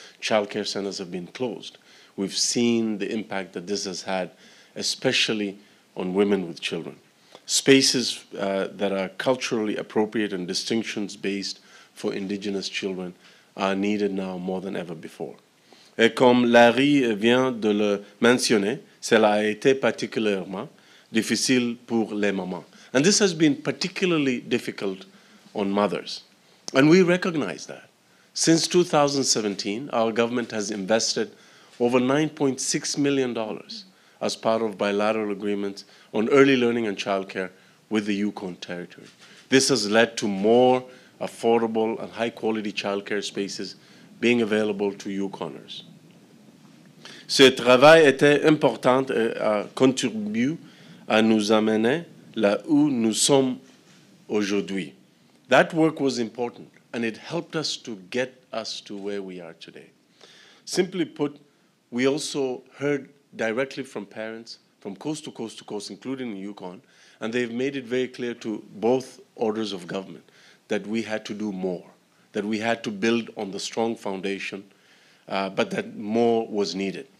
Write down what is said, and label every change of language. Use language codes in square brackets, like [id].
[en] Childcare centers have been closed. We've seen the impact that this has had, especially on women with children. Spaces that are culturally appropriate and distinctions based for Indigenous children are needed now more than ever before. [fr] Et comme Larry vient de le mentionner, cela a été particulièrement difficile pour les mamans. [en] And this has been particularly difficult on mothers. And we recognize that. Since 2017, our government has invested over $9.6 million as part of bilateral agreements on early learning and childcare with the Yukon Territory. This has led to more affordable and high-quality childcare spaces being available to Yukoners. [fr] Ce travail était important et a contribué à nous amener là où nous sommes aujourd'hui. [en] That work was important, and it helped us to get us to where we are today. Simply put, we also heard directly from parents from coast to coast to coast, including in Yukon, and they've made it very clear to both orders of government that we had to do more, that we had to build on the strong foundation, but that more was needed.